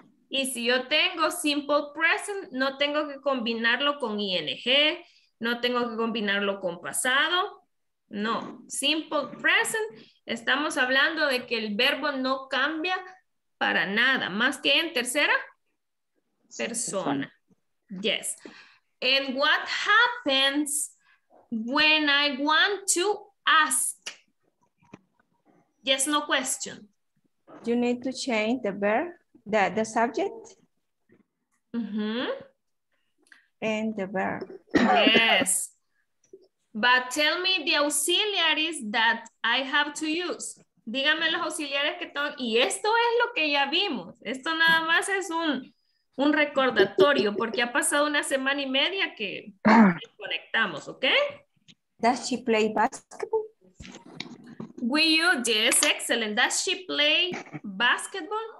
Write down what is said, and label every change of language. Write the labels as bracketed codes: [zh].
[es] Y si yo tengo simple present, no tengo que combinarlo con ING, no tengo que combinarlo con pasado. No, simple present, estamos hablando de que el verbo no cambia para nada, más que en tercera persona. [en] Yes. And what happens when I want to ask? Yes, no question. You need to change the verb, the subject. Mm-hmm. And the verb. Yes. But tell me the auxiliaries that I have to use. [es] Díganme los auxiliares que tengo. Y esto es lo que ya vimos. Esto nada más es un recordatorio porque ha pasado una semana y media que conectamos, ¿ok? [en] Does she play basketball? We use, yes, excellent. Does she play basketball?